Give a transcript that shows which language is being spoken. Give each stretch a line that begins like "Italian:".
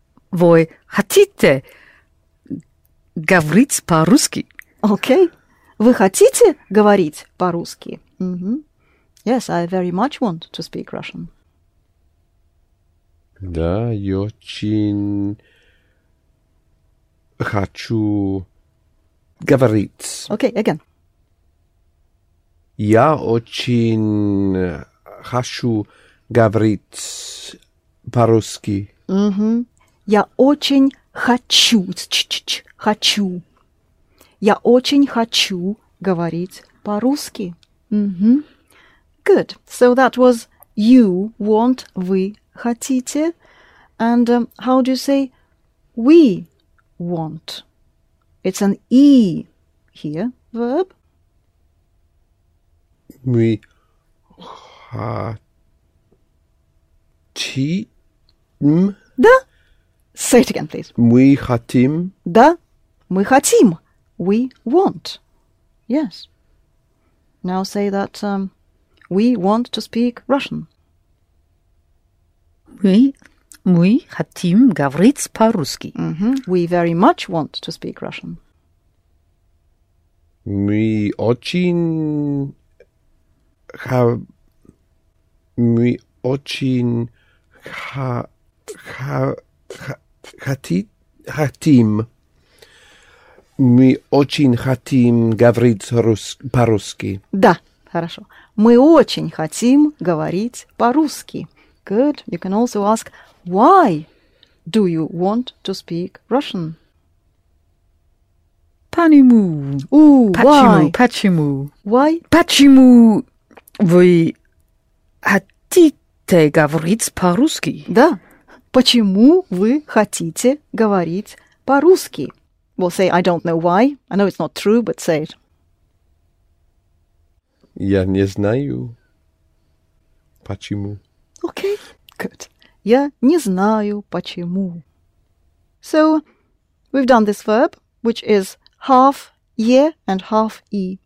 Russian: Вы хотите говорить по-русски?
English: Okay.
Russian: Вы хотите говорить по-русски?
English: Yes, I very much want to speak Russian.
Russian: Да, я очень хочу говорить.
English: Okay, again.
Russian: Я очень хочу говорить по-русски. Я очень хочу, хочу. Я очень хочу говорить по-русски.
English: Good. So that was you want,
Russian: вы хотите.
English: And how do you say we want? It's an E here, verb. We хотим. Да. Say it again, please.
Russian: Мы хотим. Да, мы хотим.
English: We want.
Russian: Yes.
English: Now say that we want to speak Russian.
Russian: Мы хотим говорить по-русски.
English: We very much want to speak Russian.
Russian: Мы очень хотим говорить по-русски. Да, хорошо. Мы очень хотим говорить по-русски.
English: Good. You can also ask, why do you want to speak Russian?
Russian: почему? Ooh, почему?
English: Why?
Russian: Почему?
English: Why?
Russian: Почему вы хотите говорить по-русски? Да. Почему вы хотите говорить по-русски?
English: Well, say, I don't know why. I know it's not true, but say it.
Russian: Я не знаю почему.
English: Okay, good.
Russian: Я не знаю почему.
English: So, we've done this verb, which is half е and half и.